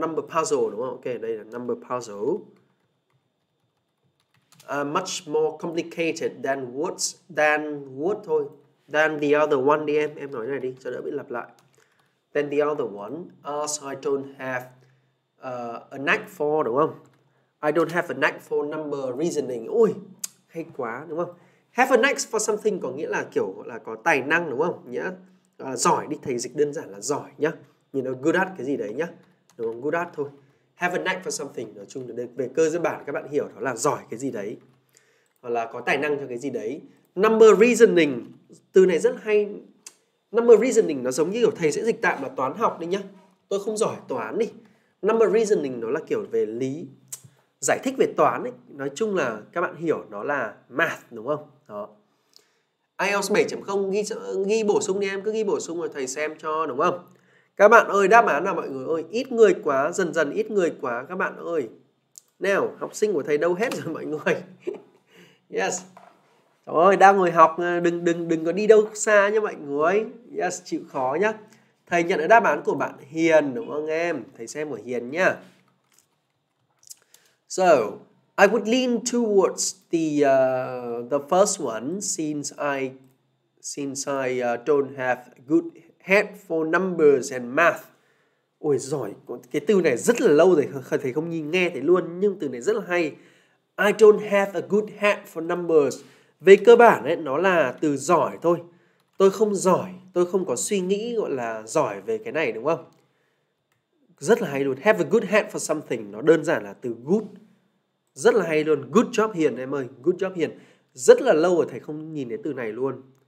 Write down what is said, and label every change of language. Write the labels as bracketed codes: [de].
[vi] Number puzzle đúng không? Ok, đây là number puzzle. [en] Much more complicated than the other one [vi] đi em nói này đi cho đỡ bị lặp lại. [en] Than the other one, as I don't have a knack for [vi] đúng không? [en] I don't have a knack for number reasoning. [vi] Ui, hay quá đúng không? Have a knack for something có nghĩa là kiểu gọi là có tài năng đúng không? Nhá, giỏi đi, thầy dịch đơn giản là giỏi nhá. Nhìn nó good at cái gì đấy nhá, đúng không? Good at thôi. Have a knack for something, nói chung là về cơ bản các bạn hiểu đó là giỏi cái gì đấy hoặc là có tài năng cho cái gì đấy. Number reasoning, từ này rất hay. Number reasoning nó giống như kiểu thầy sẽ dịch tạm là toán học đi nhá. Tôi không giỏi toán đi. Number reasoning nó là kiểu về lý, giải thích về toán ấy. Nói chung là các bạn hiểu nó là math đúng không? Đó. IELTS 7.0 ghi bổ sung đi em, cứ ghi bổ sung rồi thầy xem cho đúng không? Các bạn ơi, đáp án là mọi người ơi, ít người quá, dần dần ít người quá các bạn ơi. Nào, học sinh của thầy đâu hết rồi mọi người. Yes. Trời ơi, đang ngồi học, đừng có đi đâu xa nhá mọi người. Yes, chịu khó nhá. Thầy nhận được đáp án của bạn Hiền đúng không em? Thầy xem của Hiền nhá. [en] So, I would lean towards the first one since I don't have good head for numbers and math. [vi] Ôi giỏi, cái từ này rất là lâu rồi, thầy không nhìn nghe thấy luôn, nhưng từ này rất là hay. [en] I don't have a good head for numbers. [vi] Về cơ bản ấy, nó là từ giỏi thôi. Tôi không giỏi, tôi không có suy nghĩ gọi là giỏi về cái này đúng không? Rất là hay luôn. Have a good head for something, nó đơn giản là từ good. Rất là hay luôn. [en] Good job [vi] Hiền em ơi, good job Hiền. Rất là lâu rồi thầy không nhìn thấy từ này luôn.